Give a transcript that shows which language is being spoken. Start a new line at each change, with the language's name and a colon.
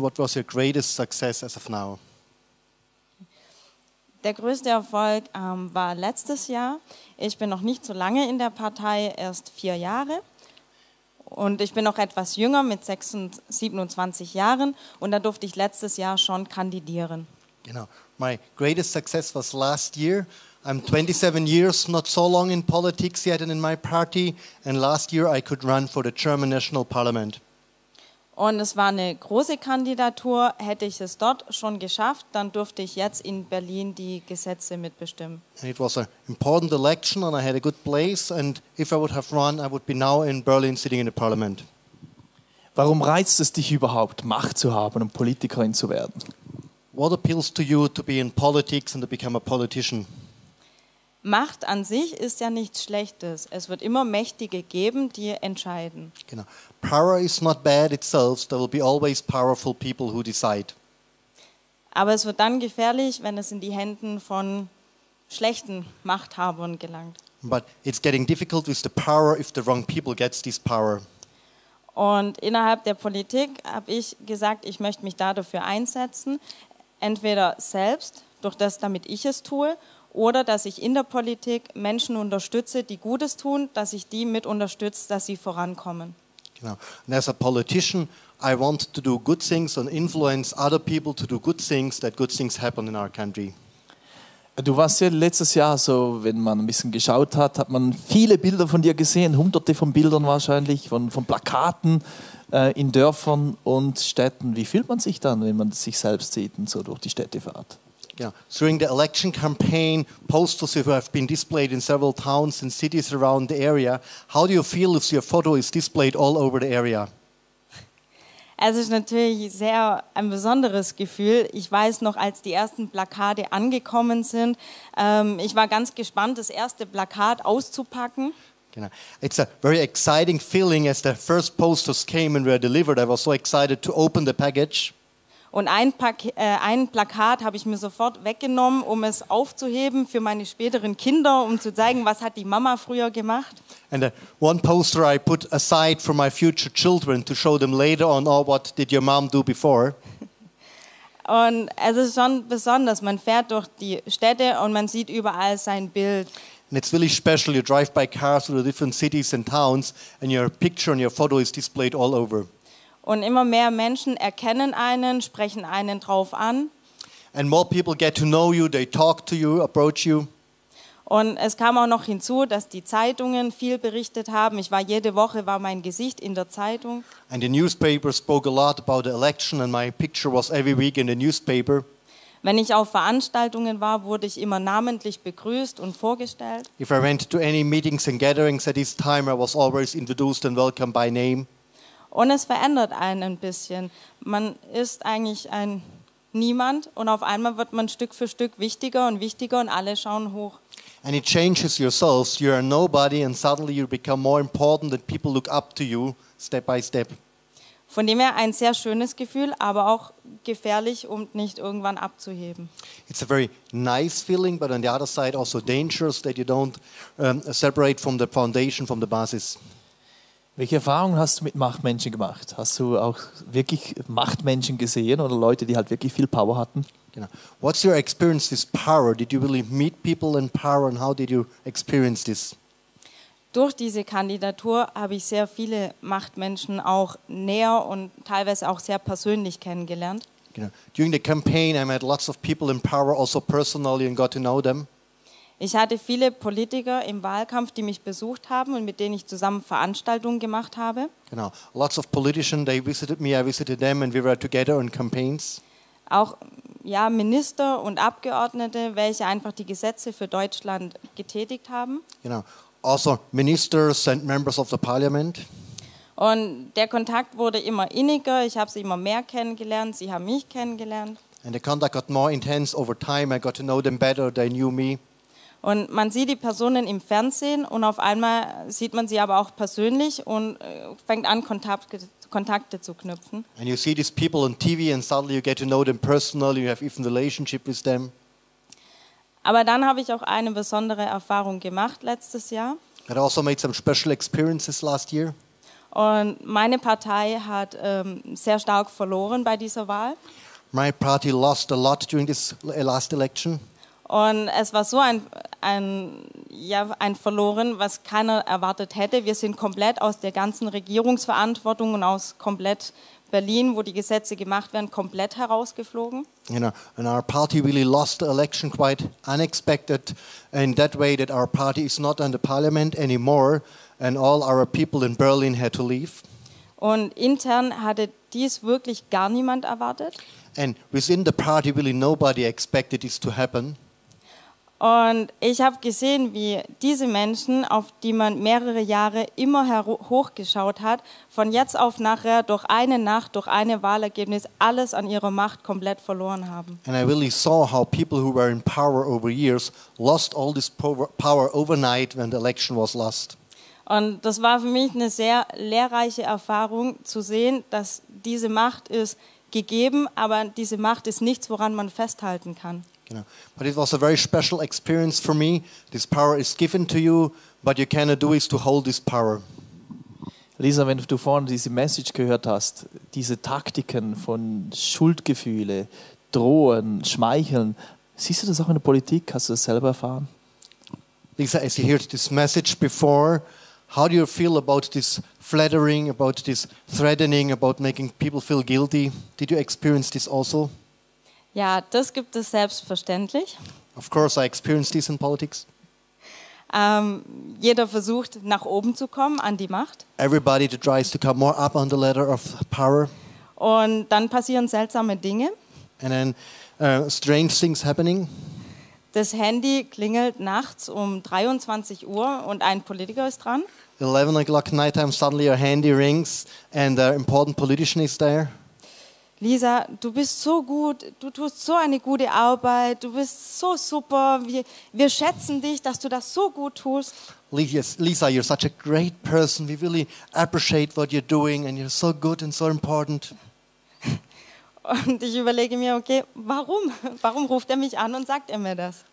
English: What was your greatest success as of now?
German: Der größte Erfolg war letztes Jahr. Ich bin noch nicht so lange in der Partei, erst 4 Jahre. Und ich bin noch etwas jünger, mit 27 Jahren. Und da durfte ich letztes Jahr schon kandidieren. Genau.
English: My greatest success was last year. I'm 27 years, not so long in politics yet and in my party. And last year I could run for the German National Parliament.
German: Und es war eine große Kandidatur. Hätte ich es dort schon geschafft, dann durfte ich jetzt in Berlin die Gesetze mitbestimmen.
English: It was an important election and I had a good place. And if I would have run, I would be now in Berlin sitting in the parliament.
German: Warum reizt es dich überhaupt, Macht zu haben und Politikerin zu werden?
English: What appeals to you to be in politics and to become a politician?
German: Macht an sich ist ja nichts Schlechtes. Es wird immer Mächtige geben, die entscheiden.
English: Genau. Power is not bad itself. There will be always powerful people who decide.
German: Aber es wird dann gefährlich, wenn es in die Händen von schlechten Machthabern gelangt.
English: But it's getting difficult with the power if the wrong people gets this power.
German: Und innerhalb der Politik habe ich gesagt, ich möchte mich dafür einsetzen, entweder selbst, durch das, damit ich es tue, oder dass ich in der Politik Menschen unterstütze, die Gutes tun, dass ich die mit unterstütze, dass sie vorankommen. Genau.
English: And as a politician, I want to do good things and influence other people to do good things, that good things happen in our country.
German: Du warst ja letztes Jahr so, wenn man ein bisschen geschaut hat, hat man viele Bilder von dir gesehen, hunderte von Bildern wahrscheinlich, von Plakaten in Dörfern und Städten. Wie fühlt man sich dann, wenn man sich selbst sieht und so durch die Städte fährt?
English: Yeah, during the election campaign, posters have been displayed in several towns and cities around the area. How do you feel if your photo is displayed all over the area?
German: Es ist natürlich sehr ein besonderes Gefühl. Ich weiß noch, als die ersten Plakate angekommen sind, ich war ganz gespannt, das erste Plakat auszupacken. Genau.
English: It's a very exciting feeling as the first posters came and were delivered. I was so excited to open the package.
German: Und ein Plakat habe ich mir sofort weggenommen, um es aufzuheben für meine späteren Kinder, um zu zeigen, was hat die Mama früher gemacht.
English: And one poster I put aside for my future children to show them later on, oh, what did your mom do before?
German: Und es ist schon besonders, man fährt durch die Städte und man sieht überall sein Bild.
English: And it's really special, you drive by cars through the different cities and towns and your picture and your photo is displayed all over.
German: Und immer mehr Menschen erkennen einen, sprechen einen drauf an.
English: And more people get to know you, they talk to you, approach you.
German: Und es kam auch noch hinzu, dass die Zeitungen viel berichtet haben. Ich war jede Woche, war mein Gesicht in der Zeitung.
English: And the newspaper spoke a lot about the election and my picture was every week in the newspaper.
German: Wenn ich auf Veranstaltungen war, wurde ich immer namentlich begrüßt und vorgestellt.
English: If I went to any meetings and gatherings at this time, I was always introduced and welcomed by name.
German: Und es verändert einen ein bisschen. Man ist eigentlich ein Niemand und auf einmal wird man Stück für Stück wichtiger und wichtiger und alle schauen hoch.
English: And it changes yourselves. You are nobody and suddenly you become more important and people look up to you step by step.
German: Von dem her ein sehr schönes Gefühl, aber auch gefährlich, um nicht irgendwann abzuheben.
English: It's a very nice feeling, but on the other side also dangerous that you don't separate from the foundation, from the basis.
German: Welche Erfahrungen hast du mit Machtmenschen gemacht? Hast du auch wirklich Machtmenschen gesehen oder Leute, die halt wirklich viel Power hatten? Genau.
English: What's your experience with power? Did you really meet people in power and how did you experience this?
German: Durch diese Kandidatur habe ich sehr viele Machtmenschen auch näher und teilweise auch sehr persönlich kennengelernt. Genau.
English: During the campaign I met lots of people in power also personally and got to know them.
German: Ich hatte viele Politiker im Wahlkampf, die mich besucht haben und mit denen ich zusammen Veranstaltungen gemacht habe. Genau.
English: Lots of politicians, they visited me, I visited them and we were together on campaigns.
German: Auch ja, Minister und Abgeordnete, welche einfach die Gesetze für Deutschland getätigt haben. Genau.
English: Also ministers and members of the parliament.
German: Und der Kontakt wurde immer inniger, ich habe sie immer mehr kennengelernt, sie haben mich kennengelernt.
English: And the contact got more intense over time, I got to know them better, they knew me.
German: Und man sieht die Personen im Fernsehen und auf einmal sieht man sie aber auch persönlich und fängt an Kontakte zu knüpfen.
English: And you see these people on TV and suddenly you get to know them personally, you have even a relationship with them.
German: Aber dann habe ich auch eine besondere Erfahrung gemacht letztes Jahr.
English: I also made some special experiences last year.
German: Und meine Partei hat sehr stark verloren bei dieser Wahl.
English: My party lost a lot during this last election.
German: Und es war so ein Verloren, was keiner erwartet hätte. Wir sind komplett aus der ganzen Regierungsverantwortung und aus komplett Berlin, wo die Gesetze gemacht werden, komplett herausgeflogen.
English: You know, and our party really lost the election quite unexpected in that way that our party is not in the parliament anymore and all our people in Berlin had to leave.
German: Und intern hatte dies wirklich gar niemand erwartet.
English: And within the party really nobody expected this to happen.
German: Und ich habe gesehen, wie diese Menschen, auf die man mehrere Jahre immer hochgeschaut hat, von jetzt auf nachher durch eine Nacht, durch eine Wahlergebnis alles an ihrer Macht komplett verloren haben.
English: And I really saw how people who were in power over years lost all this power overnight when the election was lost.
German: Und das war für mich eine sehr lehrreiche Erfahrung zu sehen, dass diese Macht ist gegeben, aber diese Macht ist nichts, woran man festhalten kann.
English: You know, but it was a very special experience for me. This power is given to you, but you cannot do is to hold this power.
German: Lisa, wenn du vorhin diese Message gehört hast, diese Taktiken von Schuldgefühle, Drohen, Schmeicheln, siehst du das auch in der Politik? Hast du das selber erfahren?
English: Lisa, as you heard this message before, how do you feel about this flattering, about this threatening, about making people feel guilty? Did you experience this also?
German: Ja, das gibt es selbstverständlich.
English: Of course, I experienced this in politics.
German: Jeder versucht nach oben zu kommen an die Macht.
English: Everybody tries to come more up on the ladder of power.
German: Und dann passieren seltsame Dinge.
English: And then strange things happening.
German: Das Handy klingelt nachts um 23 Uhr und ein Politiker ist dran.
English: 11 o'clock night time suddenly your handy rings and an important politician is there.
German: Lisa, du bist so gut, du tust so eine gute Arbeit, du bist so super, wir schätzen dich, dass du das so gut tust.
English: Lisa, you're such a great person, we really appreciate what you're doing and you're so good and so important.
German: Und ich überlege mir, okay, warum? Warum ruft er mich an und sagt er mir das?